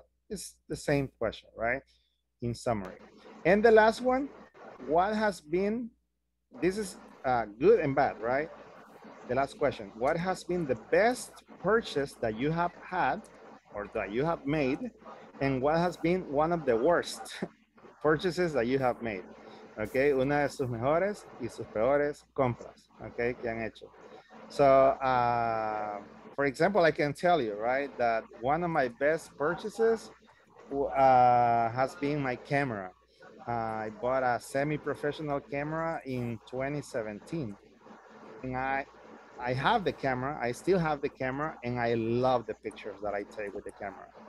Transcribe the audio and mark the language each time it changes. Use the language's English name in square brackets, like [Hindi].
[English] It's the same question, right? In summary. And the last one, what has been this is good and bad, right? The last question, what has been the best purchase that you have had or that you have made, and what has been one of the worst purchases that you have made? [Spanish] Okay, una de sus mejores y sus peores compras, okay, que han hecho. [English] So, for example, I can tell you, right, that one of my best purchases has been my camera. I bought a semi-professional camera in 2017. And I have the camera, I still have the camera, and I love the pictures that I take with the camera.